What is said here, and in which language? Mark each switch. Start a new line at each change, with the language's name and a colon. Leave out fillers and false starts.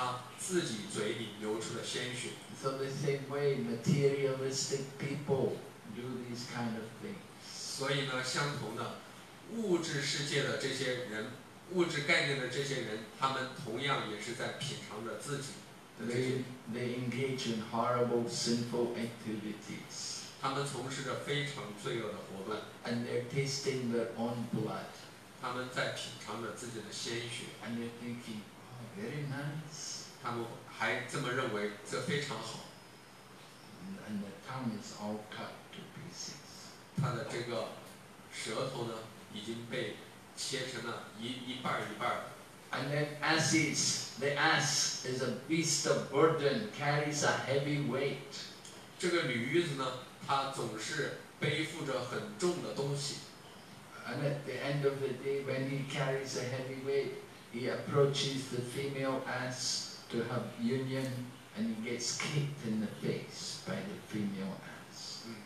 Chinese: 但是事实上，他品尝的是他自己嘴里流出的鲜血。
English: So the same way, materialistic people do these kind of things.
Chinese: 所以呢，相同的， 物质世界的这些人， 物质概念的这些人， 他们同样也是在品尝着自己。
English: They engage in horrible sinful activities.
Chinese: 他们从事着非常罪恶的活动。
English: And they're tasting their own blood.
Chinese: 他们在品尝着自己的鲜血。
English: And they're thinking, oh, very nice.
Chinese: 他们还这么认为， 这非常好。
English: And the tongue is all cut to pieces.
Chinese: 他的这个舌头呢， 已经被切成了一半一半。
English: And then asses, the ass is a beast of burden, carries a heavy weight.
Chinese: 这个驴子呢， 它总是背负着很重的东西。
English: And at the end of the day, when he carries a heavy weight, he approaches the female ass to have union, and he gets kicked in the face by the female ass.